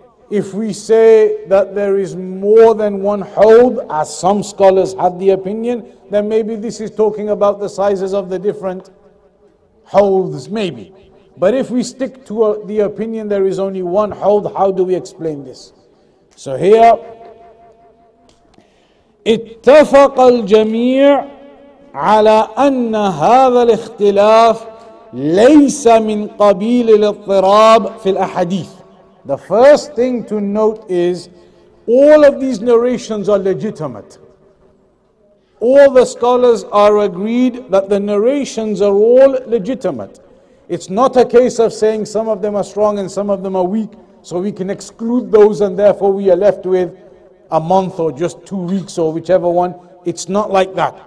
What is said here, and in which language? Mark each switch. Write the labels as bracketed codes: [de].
[en] If we say that there is more than one hawb, as some scholars had the opinion, then maybe this is talking about the sizes of the different hawbs, maybe. But if we stick to the opinion there is only one hawb, how do we explain this? [ar] So here, اتفق الجميع على أن هذا الاختلاف ليس من قبيل الاضطراب في الأحاديث. [en] The first thing to note is all of these narrations are legitimate. All the scholars are agreed that the narrations are all legitimate. It's not a case of saying some of them are strong and some of them are weak, so we can exclude those and therefore we are left with a month or just 2 weeks or whichever one. It's not like that.